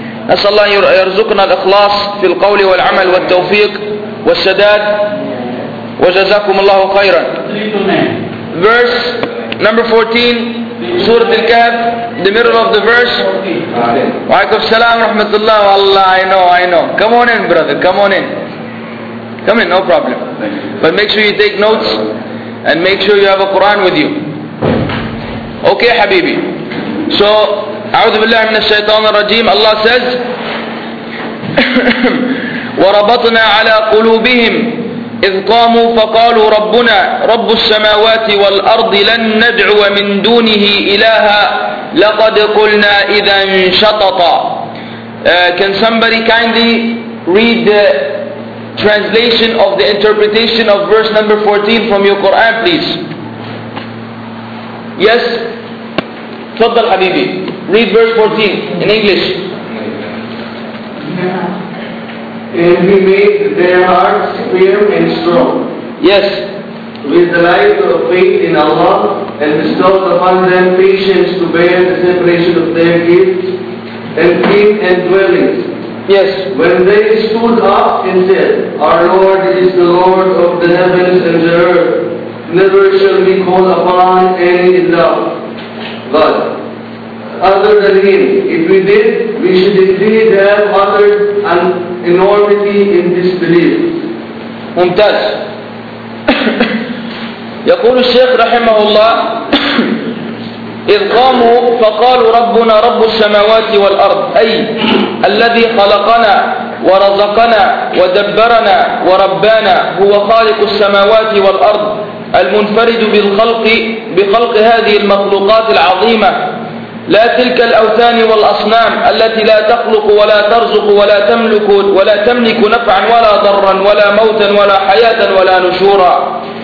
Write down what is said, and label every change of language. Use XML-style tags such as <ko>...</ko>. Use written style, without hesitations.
<ar>نسأل الله يرزقنا الإخلاص في القول والعمل والتوفيق والسداد، وجزاكم الله خيرا.</ar> <en>Verse number 14, سورة الكهف, the middle of the verse.</en> <ar>وعليكم السلام ورحمة الله.</ar> <en>والله I know. Come on in, brother. Come in, no problem. But make sure you take notes and make sure you have a Quran with you. Okay, Habibi.</en> <ar>So, أعوذ بالله من الشيطان الرجيم.</ar> <en>Allah says,</en> <ar>وربطنا على قلوبهم إذ قاموا فقالوا ربنا رب السماوات والأرض لن ندعو من دونه إلها لقد قلنا إذا انشططا.</ar> <en>Can somebody kindly read the translation of the interpretation of verse number 14 from your Quran, please?</en> <ar>Yes, تفضل حبيبي.</ar> <en>Read verse 14 in English. And he made their hearts firm and strong. Yes. With the light of faith in Allah, and bestowed upon them patience to bear the separation of their gifts and king and dwellings. Yes. When they stood up and said, Our Lord is the Lord of the heavens and the earth, never shall we call upon any love but other than him. If we did, we should indeed have uttered an enormity in disbelief.</en> <ar>ممتاز. يقول الشيخ رحمه الله إذ قاموا فقالوا ربنا رب السماوات والأرض، أي الذي خلقنا ورزقنا ودبرنا وربانا، هو خالق السماوات والأرض المنفرد بخلق هذه المخلوقات العظيمة، لا تلك الأوثان والأصنام التي لا تخلق ولا ترزق ولا تملك نفعا ولا ضرا ولا موتا ولا حياة ولا نشورا.</ar>